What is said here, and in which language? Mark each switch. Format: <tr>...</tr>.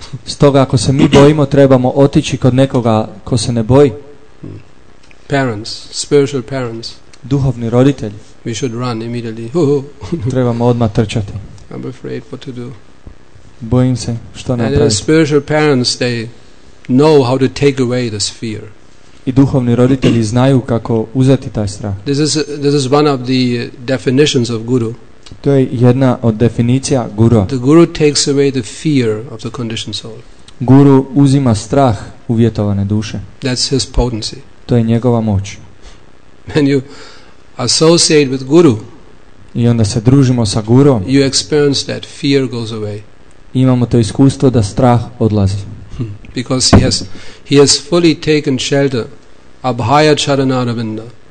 <hr>Stoga ako se mi bojimo, trebamo otići kod nekoga ko se ne boji.</hr> <en>Parents, spiritual parents.</en> <hr>Duhovni roditelji.</hr> <en>We should run immediately.</en> <hr>Trebamo odmah trčati.</hr> <en>I'm afraid what to do.</en> <hr>Bojim se što napraviti.</hr> <en>And spiritual parents, they know how to take away this fear.</en> <hr>I duhovni roditelji znaju kako uzeti taj strah.</hr> <en>This is one of the definitions of guru.</en> <hr>To je jedna od definicija gurua.</hr> <en>The guru takes away the fear of the conditioned soul.</en> <hr>Guru uzima strah uvjetovane duše.</hr> <en>That's his potency.</en> <hr>To je njegova moć.</hr> <en>When you associate with guru,</en> <hr>i onda se družimo sa gurom,</hr> <en>you experience that fear goes away.</en> <hr>Imamo to iskustvo da strah odlazi.</hr> <en>Because he has fully taken shelter Abhaya Charanaravinda.</en>